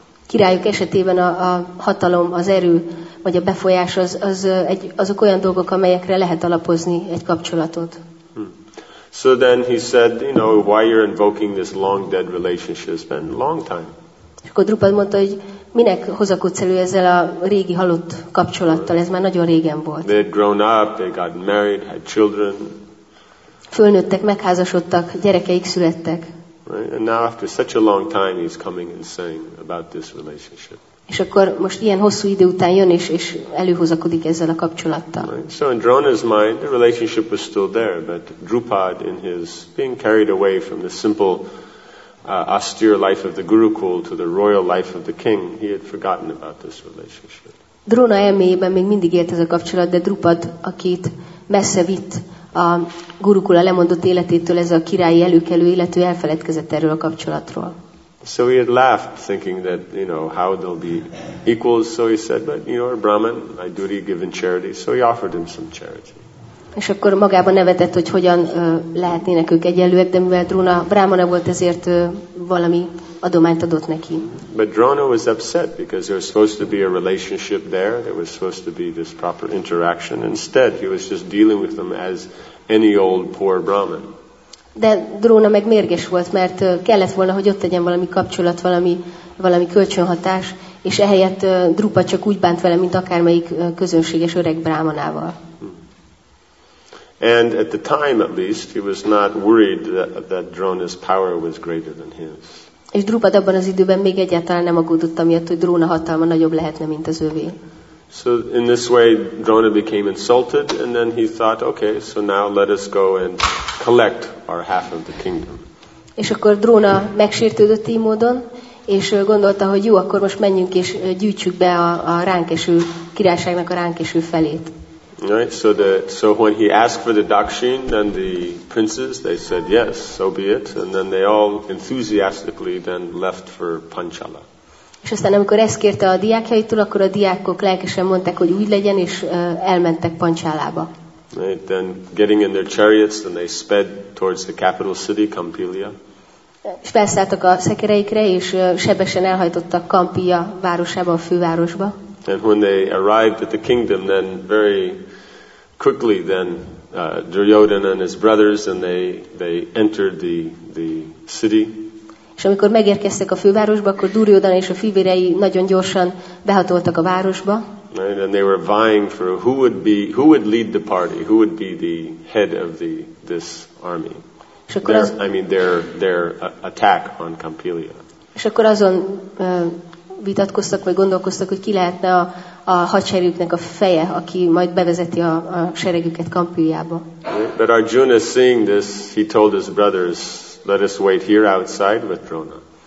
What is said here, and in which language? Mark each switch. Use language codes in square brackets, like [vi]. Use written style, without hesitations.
[hu] Királyok esetében a hatalom, az erő vagy a befolyás azok olyan dolgok, amelyekre lehet alapozni egy kapcsolatot. [en] So then he said, you know, why you're invoking this long dead relationship? It's been a long time. [hu] És akkor Drupad mondta, hogy minek hozakodsz elő ezzel a régi halott kapcsolattal? Ez már nagyon régen volt. [en] They had grown up, they got married, had children. [hu] Fölnőttek, megházasodtak, gyerekeik születtek. [en] Right? And now after such a long time he's coming and saying about this relationship. [hu] És akkor most ilyen hosszú idő után jön és előhozakodik ezzel a kapcsolattal. [en] Right? So in Drona's mind the relationship was still there, but Drupad in his being carried away from the simple austere life of the Gurukul to the royal life of the king, he had forgotten about this relationship. [hu] Drona elméjében még mindig élt ez a kapcsolat, de Drupad, akit messze vitt a Gurukula lemondott életétől ez a királyi előkelő élető, elfeledkezett erről a kapcsolatról. [en] So he had laughed, thinking that, you know, how they'll be equals, so he said, but you know, a Brahman, my duty given charity, so he offered him some charity. [hu] És akkor magában nevetett, hogy hogyan lehetnének ők egyenlőek, de mivel Drona brámana volt, ezért valami adományt adott neki. [en] But Drona was upset because there was supposed to be a relationship there, there was supposed to be this proper interaction. Instead, he was just dealing with them as any old poor Brahman. [hu] De Drona meg mérges volt, mert kellett volna, hogy ott legyen valami kapcsolat, valami kölcsönhatás, és ehelyett Drupa csak úgy bánt vele, mint akármelyik közönséges öreg brámanával. [en] And at the time, at least, he was not worried that Drona's power was greater than his. [hu] És Drupad abban az időben még egyáltalán nem aggódott amiatt, hogy Drona hatalma nagyobb lehetne, mint az övé. [en] So in this way, Drona became insulted, and then he thought, okay, so now let us go and collect our half of the kingdom. [hu] És akkor Drona megsértődött így módon, és gondolta, hogy jó, akkor most menjünk és gyűjtsük be a ránk eső királyságnak a ránk eső felét. [en] Right, so when he asked for the dakshin, then the princes, they said yes, so be it, and then they all enthusiastically then left for Panchala. [hu] És aztán amikor ezt kérte a diákjaitól, akkor a diákok lelkesen mondták, hogy úgy legyen, és elmentek Panchalába. [en] Right, then getting in their chariots, then they sped towards the capital city, Kampilya. [hu] És felszálltak a szekereikre, és sebesen elhajtottak Kampilya városába, a fővárosba. [en] And when they arrived at the kingdom, then very quickly, then Duryodhana and his brothers, and they entered the city. [hu] És amikor megérkeztek a fővárosba, akkor Duryodhana és a fivérei nagyon gyorsan behatoltak a városba. [en] Right, and they were vying for who would lead the party, who would be the head of this army. Their attack on Kampilya. [hu] És akkor azon vitatkoztak, vagy gondolkoztak, hogy ki lehetne a hadseregüknek a feje, aki majd bevezeti a seregüket Kampiljába. [en] But Arjuna seeing this, he told his brothers, let us wait here outside with Drona.